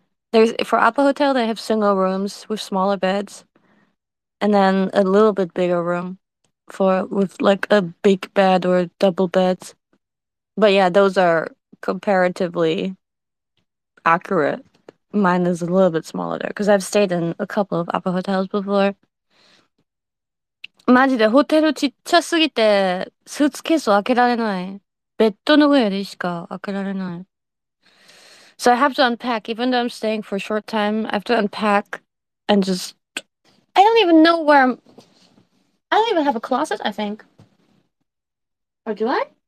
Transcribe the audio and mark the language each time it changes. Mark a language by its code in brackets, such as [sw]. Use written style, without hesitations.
[en] There's for upper hotel they have single rooms with smaller beds and then a little bit bigger room for with like a big bed or double beds. But yeah, those are comparatively accurate. Mine is a little bit smaller there because I've stayed in a couple of upper hotels before. [ja] マジでホテルちっちゃすぎてスーツケースを開けられない。ベッドの上でしか開けられない。 [en] So I have to unpack, even though I'm staying for a short time, I have to unpack and just. I don't even know where I'm. I don't even have a closet, I think. Or do I?